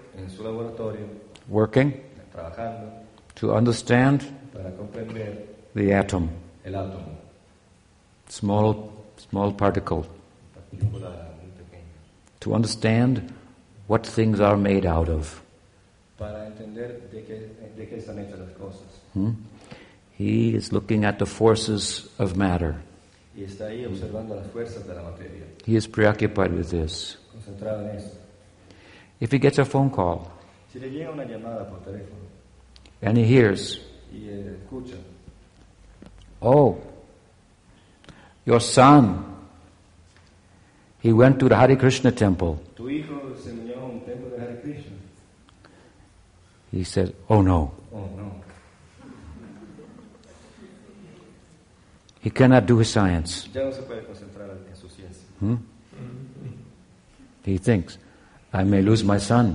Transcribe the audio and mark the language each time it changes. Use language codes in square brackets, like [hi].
[es] En su laboratorio. [en] Working. [es] Trabajando. [en] To understand. [es] Para comprender. [en] The atom. [es] El átomo. [en] Small particle. [es] Partícula muy pequeña. [en] To understand what things are made out of. [es] Para entender de qué están hechas las cosas. [en] He is looking at the forces of matter. [es] Y está ahí observando las fuerzas de la materia. [en] He is preoccupied with this. [es] Concentrado en eso. [en] If he gets a phone call, [es] si le llega una llamada por teléfono, [en] and he hears, [es] y escucha, [en] oh, your son, he went to the Hare Krishna temple. [es] Tu hijo se unió a un templo de Hare Krishna. [en] He said, oh no. [es] Oh no. [en] He cannot do his science. [es] Ya no se puede concentrar en su ciencia. [en] He thinks, I may lose my son.